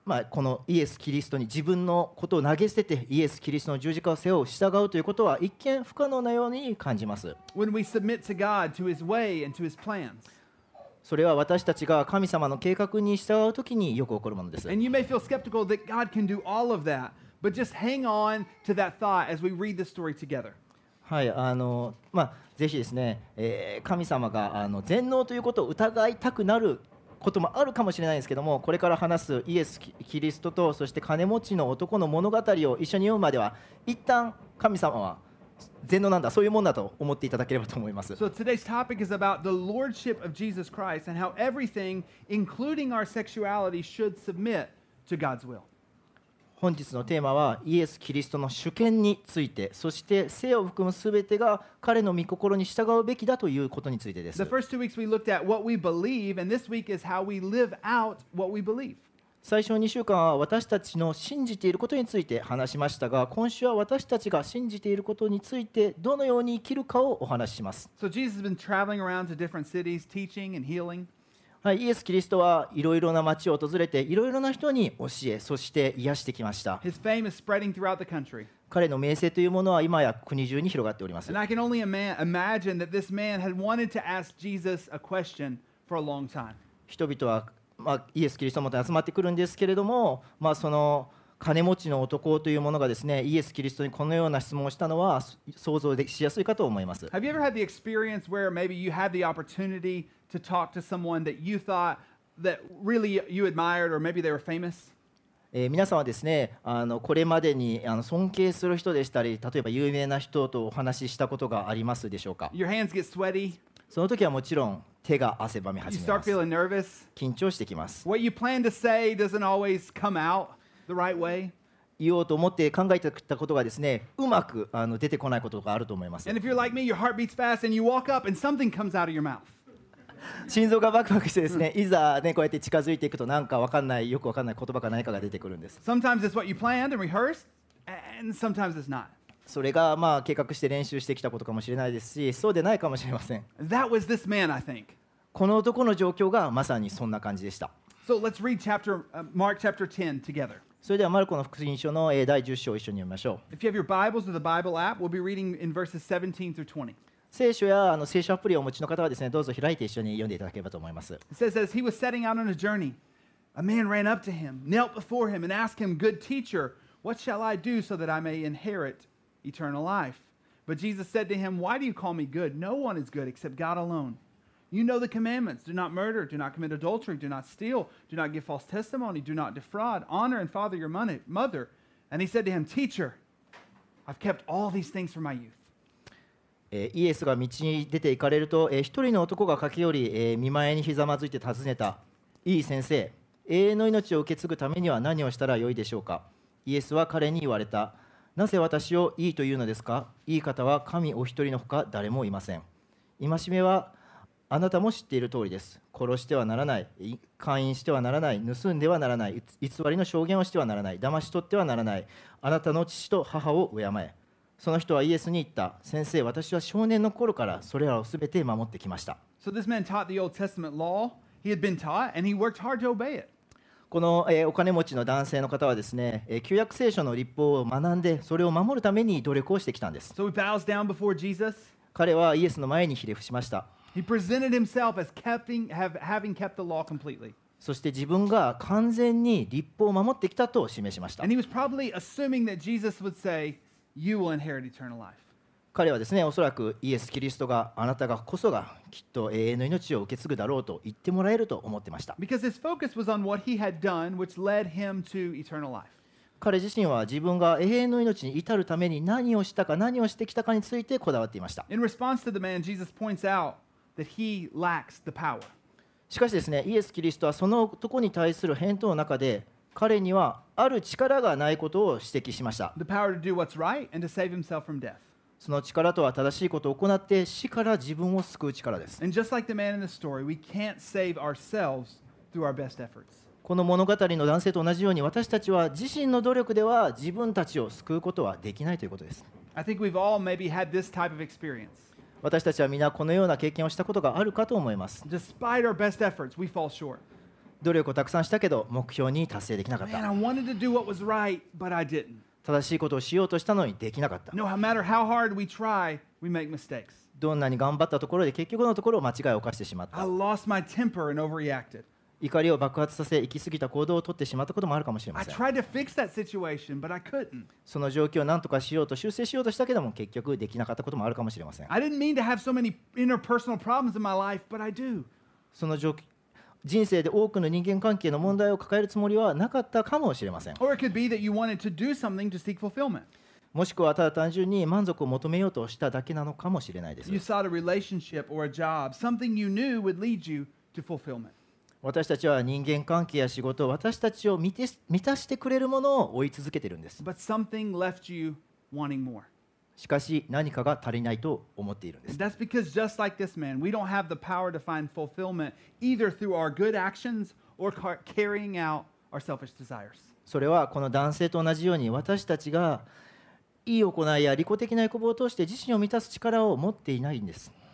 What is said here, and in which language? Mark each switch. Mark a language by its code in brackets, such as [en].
[ja] このイエス・キリストに自分のことを投げ捨ててイエス・キリストの十字架を背負う従うということは一見不可能なように感じます。 [en] When we submit to God, to his way, and to his plans. [ja] それは私たちが神様の計画に従うときによく起こるものです。 [en] And you may feel skeptical that God can do all of that, but just hang on to that thought as we read the story together. [ja] はい、まあ、ぜひですね、神様が全能ということを疑いたくなることもあるかもしれないですけども、これから話すイエス・キリストとそして金持ちの男の物語を一緒に読むまでは、一旦神様は全能なんだ、そういうもんだと思っていただければと思います。 [en] So today's topic is about the lordship of Jesus Christ and how everything, including our sexuality, should submit to God's will. [ja] 本日のテーマはイエス・キリストの主権について、そして性を含むすべてが彼の御心に従うべきだということについてです。 [en] The first 2 weeks we looked at what we believe, and this week is how we live out what we believe. [ja] 最初の2週間は私たちの信じていることについて話しましたが、今週は私たちが信じていることについてどのように生きるかをお話します。 [en] So Jesus has been traveling around to different cities, teaching and healing. [ja] はい、イエス・キリストはいろいろな町を訪れて、いろいろな人に教え、そして癒してきました。 [en] His fame is spreading throughout the country. [ja] 彼の名声というものは今や国中に広がっております。 [en] And I can only imagine that this man had wanted to ask Jesus a question for a long time. [ja] 人々はまあ、イエス・キリストもと集まってくるんですけれども、まあ、その金持ちの男というものがですね、イエス・キリストにこのような質問をしたのは想像しやすいかと思います。 [en] Have you ever had the experience where maybe you had the opportunity to talk to someone that you thought that really you admired or maybe they were famous? [ja] 皆さんはですね、これまでに尊敬する人でしたり、例えば有名な人とお話ししたことがありますでしょうか。 [en] Your hands get sweaty. [ja] その時はもちろん手が汗ばみ始めます。 [en] You start feeling nervous. [ja] 緊張してきます。 [en] What you plan to say doesn't always come out the right way. [ja] 言おうと思って考えてたことがですね、うまく出てこないことがあると思います。 [en] And if you're like me, your heart beats fast and you walk up and something comes out of your mouth. [ja] 心臓がバクバクしてですね、いざね、こうやって近づいていくと、なんか分かんない、よく分かんない言葉か何かが出てくるんです。 [en] Sometimes it's what you planned and rehearsed, and sometimes it's not. [ja] それがまあ計画して練習してきたことかもしれないですし、そうでないかもしれません。 [en] That was this man, I think. [ja] この男の状況がまさにそんな感じでした。 [en] So let's read chapter, Mark chapter 10 together. [ja] それではマルコの福音書の第10章を一緒に読みましょう。 [en] If you have your Bibles or the Bible app, we'll be reading in verses 17 through 20. [ja] 聖書や聖書アプリをお持ちの方はですね、どうぞ開いて一緒に読んでいただければと思います。 [en] It says, as he was setting out on a journey, a man ran up to him, knelt before him, and asked him, Good teacher, what shall I do so that I may inherit eternal life? But Jesus said to him, Why do you call me good? No one is good except God alone. You know the commandments. Do not murder. Do not commit adultery. Do not steal. Do not give false testimony. Do not defraud. Honor and father your mother. And he said to him, Teacher, I've kept all these things from my youth. [ja] イエスが道に出て行かれると、一人の男が駆け寄り、見舞いにひざまずいて尋ねた。いい先生、永遠の命を受け継ぐためには何をしたらよいでしょうか。イエスは彼に言われた。なぜ私をいいというのですか。いい方は神お一人のほか誰もいません。戒めはあなたも知っている通りです。殺してはならない、姦淫してはならない、盗んではならない、偽りの証言をしてはならない、騙し取ってはならない、あなたの父と母を敬え。その人はイエスに言った。先生、私は少年の頃からそれらをすべて守ってきました。 [en] So this man taught the Old Testament law. He had been taught, and he worked hard to obey it. [ja] この、お金持ちの男性の方はですね、旧約聖書の律法を学んで、それを守るために努力をしてきたんです。 [en] So he bows down before Jesus. [ja] 彼はイエスの前にひれ伏しました。 [en] He presented himself as keeping, having kept the law completely. [ja] そして自分が完全に律法を守ってきたと示しました。 [en] And he was probably assuming that Jesus would say,You will inherit eternal life. [ja] 彼はですね、おそらくイエス・キリストがあなたがこそがきっと永遠の命を受け継ぐだろうと言ってもらえると思ってました。 [en] Because his focus was on what he had done, which led him to eternal life. [ja] 彼自身は自分が永遠の命に至るために何をしたか何をしてきたかについてこだわっていました。 [en] In response to the man, Jesus points out that he lacks the power. [ja] しかしですね、イエス・キリストはその男に対する返答の中で彼にはある力がないことを指摘しました。 [en] The power to do what's right and to save himself from death. [ja] その力とは正しいことを行って死から自分を救う力です。 [en] And just like the man in the story, we can't save ourselves through our best efforts. [ja] この物語の男性と同じように私たちは自身の努力では自分たちを救うことはできないということです。 [en] I think we've all maybe had this type of experience. [ja] 私たちはみんなこのような経験をしたことがあるかと思います。 [en] Despite our best efforts, we fall short. [ja] 努力をたくさんしたけど目標に達成できなかった。 [en] Man, I wanted to do what was right, but I didn't. [ja] 正しいことをしようとしたのにできなかった。 [en] No, no matter how hard we try, we make mistakes. [ja] どんなに頑張ったところで結局のところ間違いを犯してしまった。 [en] I lost my temper and overreacted. [ja] 怒りを爆発させ行き過ぎた行動を取ってしまったこともあるかもしれません。 [en] I tried to fix that situation, but I couldn't. [ja] その状況を何とかしようと修正しようとしたけども結局できなかったこともあるかもしれません。 [en] I didn't mean to have so many interpersonal problems in my life, but I do. [ja] その状況人生で多くの人間関係の問題を抱えるつもりはなかったかもしれません。 [en] Or it could be that you wanted to do something to seek fulfillment. [ja] もしくはただ単純に満足を求めようとしただけなのかもしれないです。 [en] You sought a relationship or a job, something you knew would lead you to fulfillment. [ja] 私たちは人間関係や仕事、私たちを満たしてくれるものを追い続けているんです。 [en] But something left you wanting more. [ja] しかし何かが足りないと思っているんです。 [en] That's because just like this man, we don't have the power to find fulfillment either through our good actions or carrying out our selfish desires. [ja] それはこの男性と同じように私たちがいい行いや利己的な欲望を通して自身を満たす力を持っていないんです。